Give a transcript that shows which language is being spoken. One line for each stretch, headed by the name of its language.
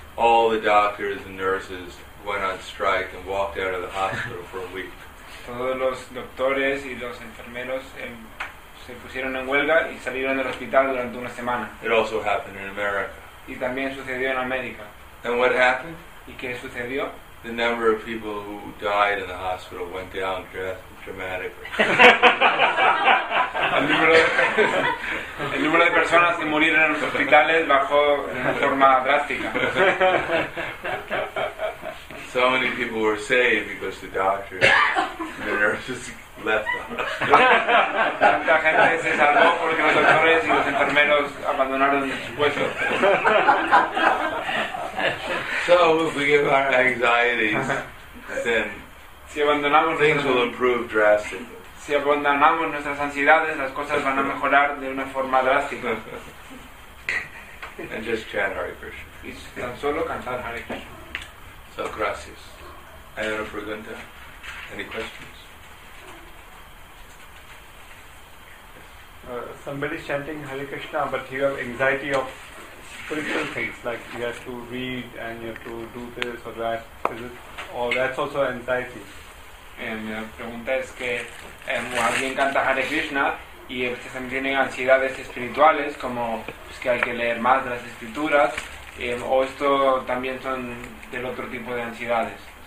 English: All the doctors and nurses went on strike and walked out of the hospital for a week.
Spanish: Todos los doctores y los enfermeros se pusieron en huelga y salieron del hospital durante una semana.
English: It also happened in America.
Spanish: Y también sucedió en América.
English: And what happened?
Spanish: ¿Y qué sucedió?
English: The number of people who died in the hospital went down drastically.
Spanish: El número de personas que murieron en los hospitales bajó de forma drástica.
English: So many people were saved because the doctors and the nurses left them.
Spanish: Tanta gente se salvó porque los doctores y los enfermeros abandonaron sus puestos.
English: So if we give our anxieties, then things will improve drastically.
Spanish: Si abandonamos nuestras ansiedades, las cosas van a mejorar de una forma drástica.
English: And just chant Hare Krishna.
Spanish: Y tan solo cantar Hare Krishna. So, gracias. ¿Hay una pregunta?
English: Any questions? Somebody is chanting Hare Krishna, but you have anxiety of spiritual things, like you have to read and you have to do this or that. Is it, or that's also anxiety?
Spanish: Mi pregunta es que alguien canta Hare Krishna y también tiene ansiedades espirituales, como pues, que hay que leer más de las escrituras, o esto también son del otro tipo de ansiedades.